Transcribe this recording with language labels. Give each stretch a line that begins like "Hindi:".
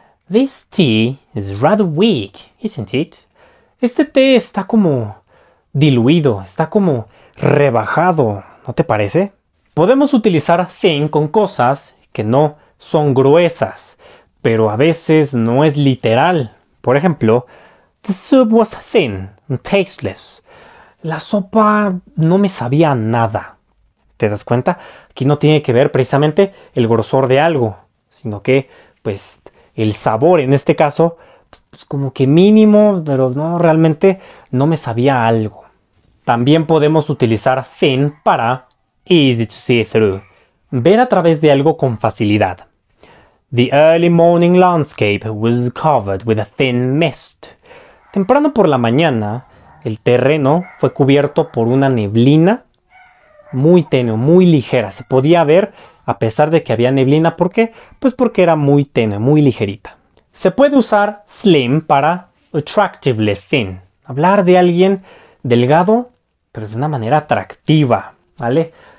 English: This tea is rather weak, isn't it?
Spanish: Este té está como diluido, está como rebajado, ¿no te parece? Podemos utilizar thin con cosas que no son gruesas, pero a veces no es literal. Por ejemplo,
English: the soup was thin and tasteless.
Spanish: La sopa no me sabía a nada. ¿Te das cuenta? Aquí no tiene que ver precisamente el grosor de algo, sino que, pues, el sabor en este caso, pues, como que mínimo, pero no realmente no me sabía algo. También podemos utilizar thin para
English: easy to see through,
Spanish: ver a través de algo con facilidad.
English: The early morning landscape was covered with a thin mist.
Spanish: Temprano por la mañana, el terreno fue cubierto por una neblina muy tenue, muy ligera. Se podía ver a pesar de que había neblina. ¿Por qué? Pues porque era muy tenue, muy ligerita. Se puede usar slim para
English: attractively thin,
Spanish: hablar de alguien delgado, pero de una manera atractiva, ¿vale?